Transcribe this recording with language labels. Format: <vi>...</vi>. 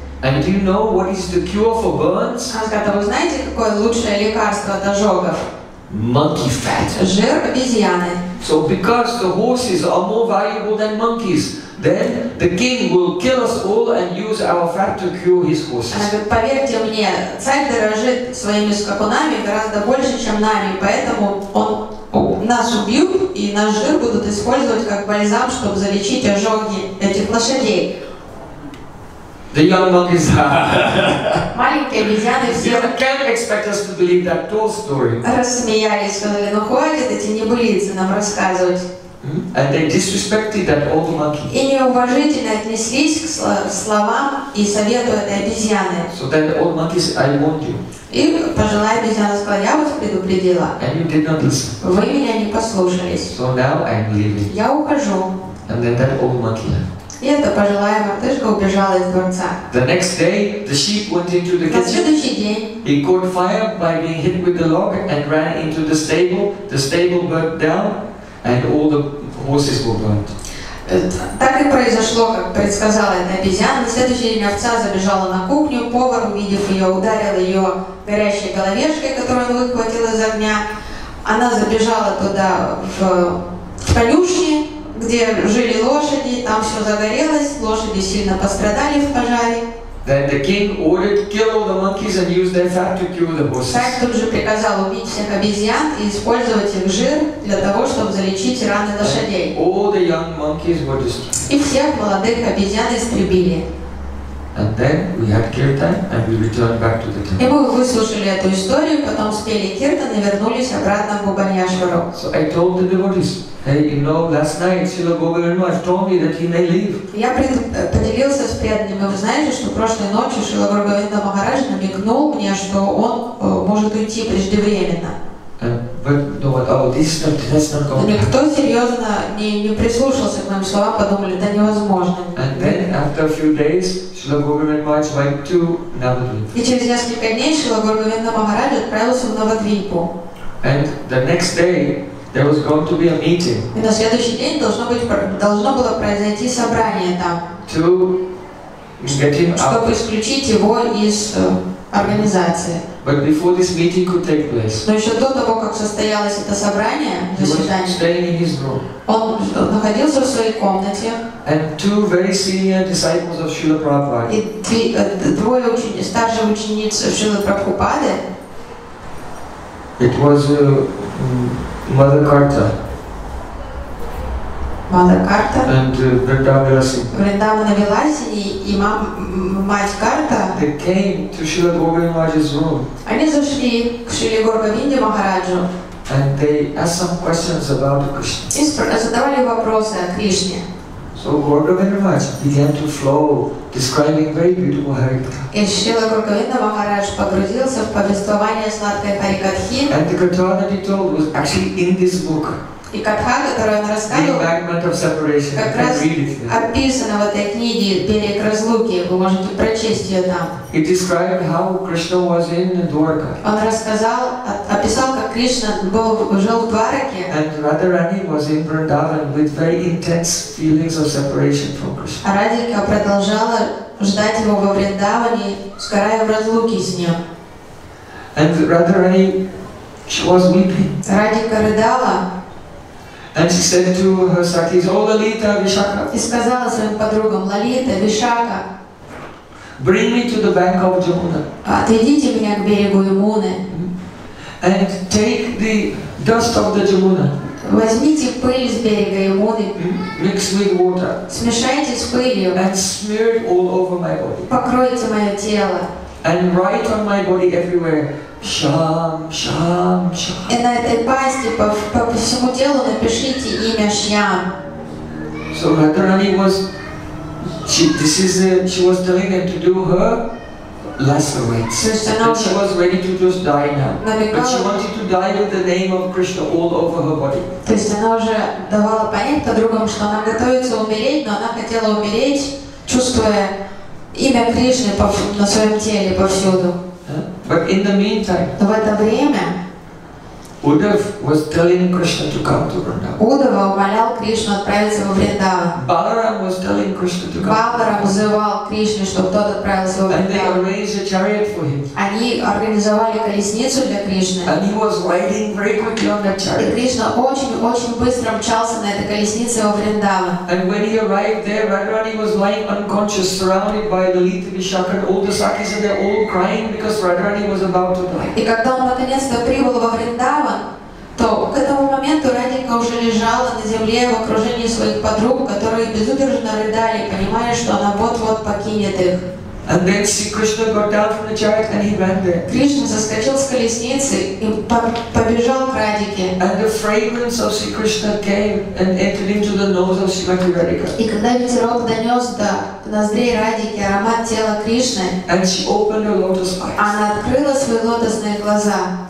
<en>And do you know what is the cure for burns?</en> <ru>Сказала, вы знаете, какое лучшее лекарство от ожогов?</ru> <en>Monkey fat.</en> <ru>Жир обезьяны.</ru> <en>So because the horses are more valuable than monkeys, then the king will kill us all and use our fat to cure his horses.</en> <ru>Она говорит, поверьте мне, царь дорожит своими скакунами гораздо больше, чем нами, поэтому он нас убьют и наш жир будут использовать как бальзам, чтобы залечить ожоги этих лошадей.</ru> <en>The young monkeys.</en> <ru>Маленькие обезьяны все.</ru> <en>You can't expect us to believe that tall story.</en> <ru>Рассмеялись, сказали, ну хватит эти небылицы нам рассказывать.</ru> <en>And they disrespected that old monkey.</en> <ru>И неуважительно отнеслись к словам и совету этой обезьяны.</ru> <en>So then the old monkey said, I warned you.</en> <ru>И пожилая обезьяна сказала, я вас предупредила.</ru> <en>And you did not listen.</en> <ru>Вы меня не послушались.</ru> <en>So now I'm leaving.</en> <ru>Я ухожу.</ru> <en>And then that old monkey.</en> <ru>И эта пожилая мартышка убежала из дворца.</ru> <en>The next day, the sheep went into the kitchen.</en> <ru>На следующий день.</ru> <en>He caught fire by being hit with the log and ran into the stable. The stable burnt down, and all the horses were burnt.</en> <ru>Так и произошло, как предсказала эта обезьяна. На следующий день овца забежала на кухню. Повар, увидев ее, ударил ее горящей головешкой, которую он выхватил из огня. Она забежала туда в конюшни, где жили лошади, там все загорелось, лошади сильно пострадали в пожаре.</ru> <en>Then the king ordered kill all the monkeys and use their fat to cure the horses.</en> <ru>Царь тут же приказал убить всех обезьян и использовать их жир для того, чтобы залечить раны лошадей.</ru> <en>All the young monkeys were destroyed.</en> <ru>И всех молодых обезьян истребили.</ru> <en>And then we had kirtan and we returned back to the temple.</en> <ru>И мы выслушали эту историю, потом спели киртан и вернулись обратно в Бхубанешвару.</ru> <en>So I told the devotees, hey, you know, last night Srila Govinda told me that he may leave.</en> <ru>Я поделился с преданными, вы знаете, что прошлой ночью Шрила Говинда Махарадж намекнул мне, что он может уйти преждевременно. Никто серьезно не прислушался к моим словам, подумали, это невозможно.</ru> <en>And then after a few days, Srila Govinda went to Navadvipa.</en> <ru>И через несколько дней Шрила Говинда Махарадж отправился в Навадвипу.</ru> <en>And the next day, there was going to be a meeting.</en> <ru>И на следующий день должно было произойти собрание там.</ru> <en>To get him out.</en> <ru>Чтобы исключить его из организации.</ru> <en>But before this meeting could take place.</en> <ru>Но еще до того, как состоялось это собрание, заседание.</ru> <en>He was staying in his room.</en> <ru>Он находился в своей комнате.</ru> <en>And two very senior disciples of Srila Prabhupada.</en> <ru>И двое старших учениц Шрилы Прабхупады.</ru> <en>It was Mother Karta. Mother Karta. And Vrindavana</en> <ru>Vilasini. Мать Карта.</ru> <en>They came to Srila Govinda Maharaj's room.</en> <ru>Они зашли к Шриле Говинде Махараджу.</ru> <en>And they asked some questions about Krishna.</en> <ru>И задавали вопросы о Кришне.</ru> <en>So Gaura Maharaj began to flow, describing very beautiful Harikatha. And</en> <ru>Srila Govinda Maharaj погрузился в повествование сладкой Харикатхи.</ru> <en>And the katha that he told was actually in this book.</en> <ru>И катха, которую он рассказывал,</ru> <en>the embankment of separation.</en> <ru>Как раз описана в этой книге «Берег разлуки». Вы можете прочесть ее там.</ru> <en>He described how Krishna was in Dwarka.</en> <ru>Он рассказал, описал, как Кришна был жил в Двараке.</ru> <en>And Radharani was in Vrindavan with very intense feelings of separation from Krishna.</en> <ru>А Радхика продолжала ждать его во Вриндаване, сгорая в разлуке с ним.</ru> <en>And Radharani, she was weeping.</en> <ru>Радхика рыдала.</ru> <en>And she said to her sakis, "Oh, Lalita, Vishaka."</en> <ru>И сказала своим подругам, Лалита, Вишака.</ru> <en>Bring me to the bank of Jamuna.</en> <ru>Отведите меня к берегу Ямуны.</ru> <en>And take the dust of the Jamuna.</en> <ru>Возьмите пыль с берега Ямуны.</ru> <en>Mix with water.</en> <ru>Смешайте с пылью.</ru> <en>And smear it all over my body.</en> <ru>Покройте мое тело.</ru> <en>And write on my body everywhere. Шам, шам, шам.</en> <ru>И на этой пасте по всему телу напишите имя Шьям.</ru> <en>So Radharani was, she was telling him to do her lesser ways. But she was ready to just die now. But she wanted to die with the name of Krishna all over her body.</en> <ru>То есть она уже давала понять подругам, что она готовится умереть, но она хотела умереть, чувствуя имя Кришны на своем теле повсюду.</ru> <en>But in the meantime,</en> <ru>в это время,</ru> <en>Uddhav was telling Krishna to come to Vrindavan.</en> <ru>Uddhava умолял Кришну отправиться во Вриндаван.</ru> <en>Balaram was telling Krishna to come.</en> <ru>Balaram взывал Кришне, чтобы тот отправился во Вриндаван.</ru> <en>And they arranged a chariot for him.</en> <ru>Они организовали колесницу для Кришны.</ru> <en>And he was riding very quickly on that chariot.</en> <ru>И Кришна очень-очень быстро мчался на этой колеснице во Вриндаван.</ru> <en>And when he arrived there, Radharani was lying unconscious, surrounded by the Lalita Vishakha, all the sakis, and they're all crying because Radharani was about to die.</en> <ru>И когда он наконец-то прибыл во Вриндаван, то к этому моменту Радика уже лежала на земле в окружении своих подруг, которые безудержно рыдали, понимая, что она вот-вот покинет их.</ru> <en>And then see Krishna got down from the chariot and he ran there.</en> <ru>Кришна соскочил с колесницы и побежал к Радике.</ru> <en>And the fragrance of Sri Krishna came and entered into the nose of Srimati Radhika.</en> <ru>И когда ветерок донес до ноздрей Радики аромат тела Кришны,</ru> <en>and she opened her lotus eyes.</en> <ru>Она открыла свои лотосные глаза.</ru>